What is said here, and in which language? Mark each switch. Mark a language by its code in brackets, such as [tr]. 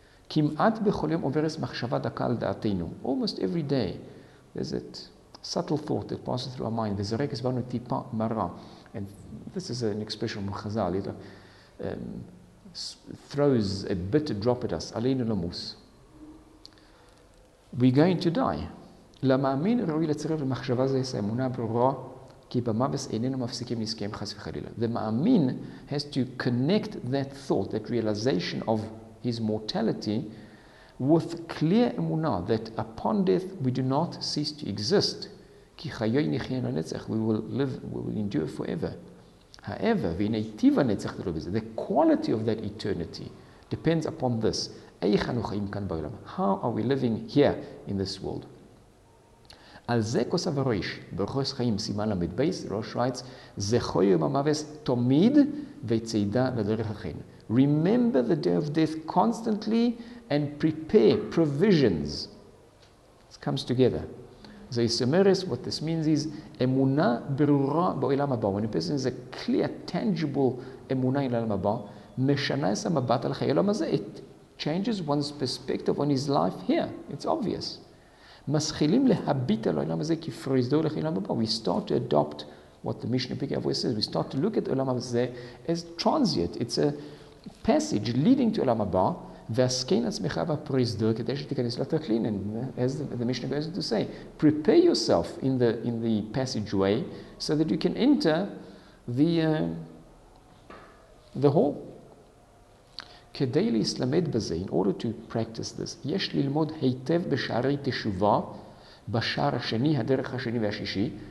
[he] Kim'at b'chol yom overes machshava daka al da'atinu. [en] Almost every day, there's a subtle thought that passes through our mind. There's a [he] rekes banu tipa mara. [en] And this is an expression from Chazal. It throws a bitter drop at us. [he] Aleinu lamus. [en] We're going to die. [he] למאמין ראוי לצרף למחשבה זה יש האמונה ברורה כי במוות איננו מפסיקים לזכם חס וחלילה. [en] The מאמין has to connect that thought, that realization of his mortality with clear אמונה that upon death we do not cease to exist. [he] כי חיי נחיה לנצח, [en] we will endure forever. However, [he] והנה היטיב הנצח תלו בזה. [en] The quality of that eternity depends upon this. [he] איך אנו חיים כאן בעולם? [en] How are we living here in this world? [he] על זה כוסב הראש, ברכוס חיים, סימן למד בייס, ראש רייץ, זכו יום המוות תמיד וצידה לדרך החיים. [en] Remember the day of death constantly and prepare provisions. It comes together. [he] זה יסמרס, [en] what this means is [he] אמונה ברורה בעולם הבא. [en] When a person is a clear, tangible אמונה in העולם הבא, [he] משנה את המבט על חיי עולם הזה. [en] It changes one's perspective on his life here. It's obvious. [he] מסחילים להביט על העולם הזה כפרוזדו הולך לעולם הבא. [en] We start to adopt what the Mishnah Pirkei Avos says. We start to look at עולם הזה as transient. It's a passage leading to עולם הבא. [he] והסכן עצמך והפרוזדו כדי שתיכנס לתכלין. [en] And as the Mishnah goes to say, prepare yourself in the passageway so that you can enter the hall. [he] כדי להסלמד בזה, [en] in order to practice this, [he] יש ללמוד היטב בשערי תשובה, בשער השני, הדרך השני והשישי.